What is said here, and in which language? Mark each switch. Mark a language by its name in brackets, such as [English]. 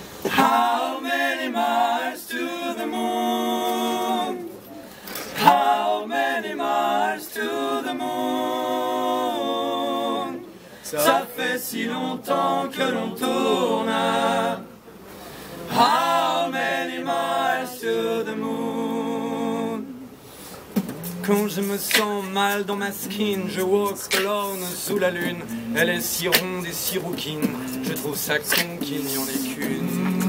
[English] How many miles to the moon? How many miles to the moon? [French] Ça fait si longtemps que l'on tourne. [English] How many miles to the moon? [French] Quand je me sens mal dans ma [English] skin, [French] je [English] walk alone [French] sous la lune. Elle est si ronde et si rouquine, je trouve ça con qu'il n'y en ait qu'une.